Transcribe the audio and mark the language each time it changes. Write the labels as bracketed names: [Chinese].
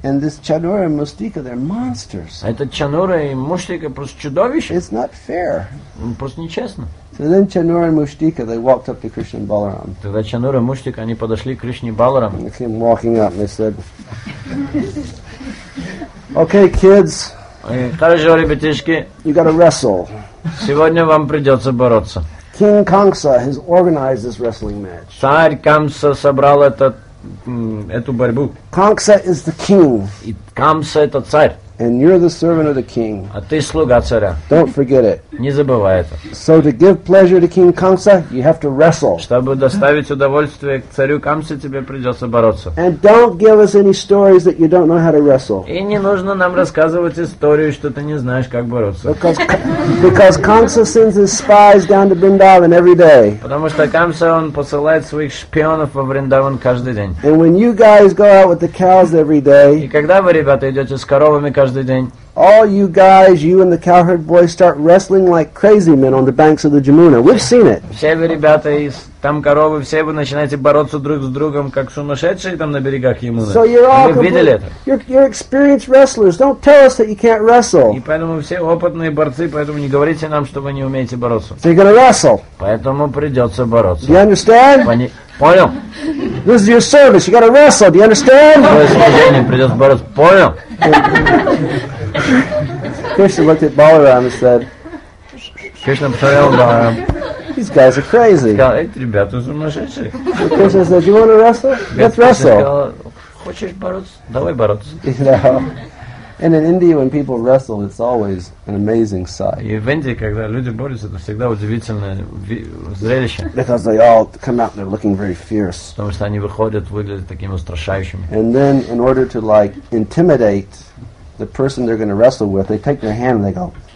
[English] And this Chanura and Mushtika, they're monsters. [Russian] Это Чанура и Муштика просто чудовища. [English] It's not fair. [Russian] Просто нечестно. [English] So then Chanura and Mushtika, they walked up to Krishna and Balaram. [Russian] Тогда Чанура и Муштика, они подошли к Кришне и Баларам. [English] They came walking up and they said, "Okay, kids. [Russian] Хорошо, ребятишки. [English] You got to wrestle. [Russian] Сегодня вам придется бороться." [English] King Kamsa has organized this wrestling match. [Russian] Царь Камса собрал эту борьбу. [English] Kamsa is the king. [Russian] И Камса это царь. [English] And you're the servant of the king. [Russian] А ты слуга царя. [English] Don't forget it. [Russian] Не забывай это. [English] So to give pleasure to King Kamsa, you have to wrestle. [Russian] Чтобы доставить удовольствие к царю Камсе, тебе придется бороться. [English] And don't give us any stories that you don't know how to wrestle. [Russian] И не нужно нам рассказывать историю, что ты не знаешь, как бороться. [English] Because Kamsa sends his spies down to Vrindavan every day. [Russian] Потому что Камса он посылает своих шпионов во Вриндаван каждый день. [English] And when you guys go out with the cows every day. [Russian] И когда вы, ребята, идете с коровами каждый день. [English] All you guys, you and the cowherd boys, start wrestling like crazy men on the banks of the Jamuna. We've seen it. [Russian] Все вы, ребята, из там коровы, все вы начинаете бороться друг с другом, как сумасшедшие там на берегах Ямуны. [English] So you're all [Russian] видели это. [English] You're experienced wrestlers. Don't tell us that you can't wrestle. [Russian] И поэтому все опытные борцы, поэтому не говорите нам, что вы не умеете бороться. [English] So you're gonna wrestle. [Russian] Поэтому придется бороться. [English] You understand? [Russian] Понял. [English] This is your service. You gotta wrestle. Do you understand? [Russian] Твое служение, придется бороться. Понял. [English] Krishna looked at Balaram and said, [Russian] Krishna посмотрел на Баларам. [English] These guys are crazy. [Russian] Сказал, эти ребята сумасшедшие. [English] So Krishna said, you want to wrestle? Let's wrestle. [Russian] Хочешь бороться? Давай бороться. [English] And in India, when people wrestle, it's always an amazing sight. [Russian] И в Индии, когда люди борются, это всегда удивительное зрелище. [English] Because they all come out and they're looking very fierce. [Russian] Потому что они выходят, выглядят такими устрашающими. [English] And then, in order to like intimidate the person they're going to wrestle with, they take their hand and they go,